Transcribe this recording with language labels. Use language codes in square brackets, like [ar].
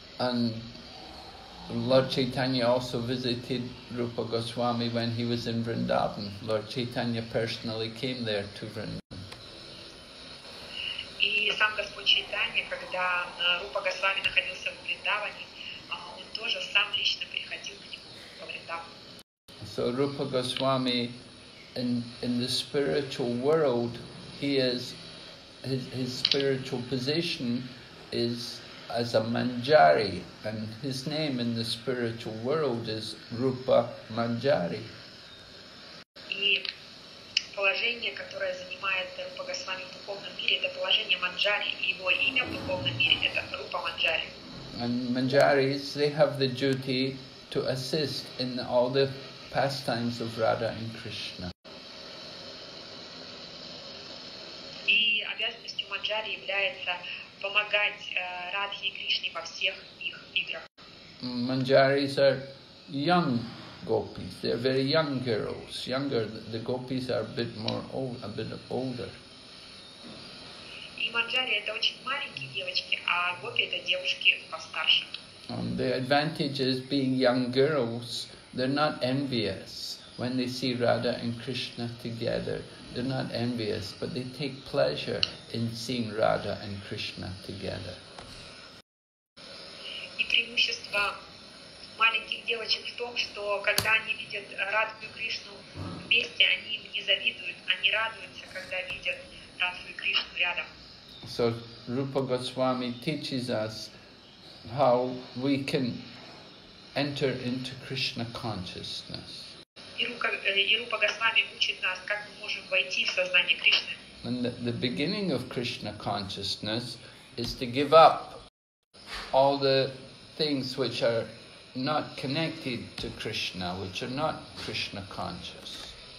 [en] And Lord Chaitanya also visited Rupa Goswami when he was in Vrindavan. Lord Chaitanya personally came there to Vrindavan. And [ru] сам Господь Чайтанья, когда Рупа Госвами находился в Вриндаване, он тоже сам лично приходил к нему во Вриндаван. [en] So Rupa Goswami in the spiritual world, he is his spiritual position is as a Manjari, and his name in the spiritual world is Rupa Manjari. [ru] И положение, которое занимает Рупа Госвами в духовном мире, это положение Манджари, и его имя в духовном мире это Рупа Манджари. [en] And Manjaris, they have the duty to assist in all the pastimes of Radha and Krishna. [ru] И обязанностью Манджари является помогать Радхе и Кришне во всех их играх. [en] Manjaris are young gopis. They're very young girls. Younger, the gopis are a bit older. [ru] И манджари это очень маленькие девочки, а гопи это девушки постарше. [en] The advantage is being young girls, they're not envious. When they see Radha and Krishna together, they're not envious, but they take pleasure in seeing Radha and Krishna together. [ru] И преимущество маленьких девочек в том, что когда они видят Радху и Кришну вместе, они им не завидуют, они радуются, когда видят Радху и Кришну рядом. [en] So Rupa Goswami teaches us how we can enter into Krishna consciousness. [ru] Рупа Госвами учит нас, как мы можем войти в сознание Кришны. [en] And the beginning of Krishna consciousness is to give up all the things which are not connected to Krishna, which are not Krishna conscious.